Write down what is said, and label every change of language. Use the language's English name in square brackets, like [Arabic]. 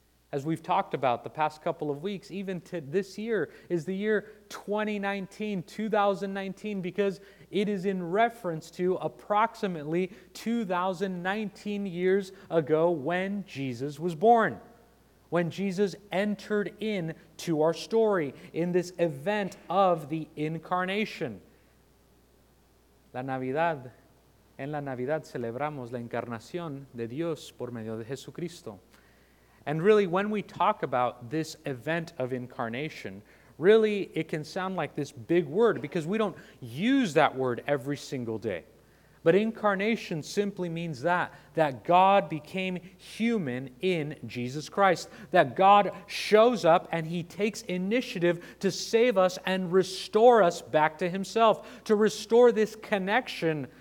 [English] As we've talked about the past couple of weeks, even to this year is the year 2019, because it is in reference to approximately 2019 years ago when Jesus was born, when Jesus entered into our story in this event of the Incarnation. [Spanish] La Navidad, en la Navidad celebramos la encarnación de Dios por medio de Jesucristo. [English] And really, when we talk about this event of Incarnation, really, it can sound like this big word because we don't use that word every single day. But Incarnation simply means that God became human in Jesus Christ, that God shows up and He takes initiative to save us and restore us back to Himself, to restore this connection.